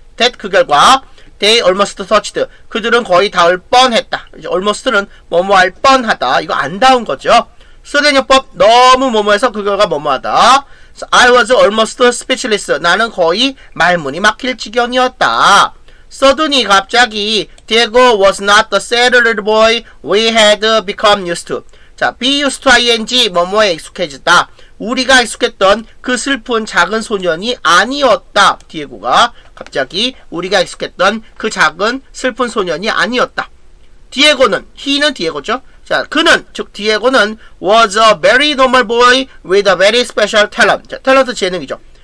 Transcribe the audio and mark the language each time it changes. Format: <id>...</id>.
<en>That</en> <ko>그 결과,</ko> <en>they almost touched.</en> <ko>그들은 거의 닿을 뻔했다. almost는 뭐뭐 할 뻔하다. 이거 안 닿은 거죠. 수련요법, 너무 뭐뭐해서 그 결과 뭐뭐하다.</ko> <en>So, I was almost speechless.</en> <ko>나는 거의 말문이 막힐 지경이었다. 서든히 갑자기</ko> <en>Diego was not the sad little boy we had become used to.</en> <ko>자, be used to ing, 뭐뭐에 익숙해졌다. 우리가 익숙했던 그 슬픈 작은 소년이 아니었다. 디에고가 갑자기 우리가 익숙했던 그 작은 슬픈 소년이 아니었다. 디에고는, he는 디에고죠. 자, 그는, 즉 디에고는</ko> <en>was a very normal boy with a very special talent.</en> <ko>자, 탤런트 재능이죠.</ko>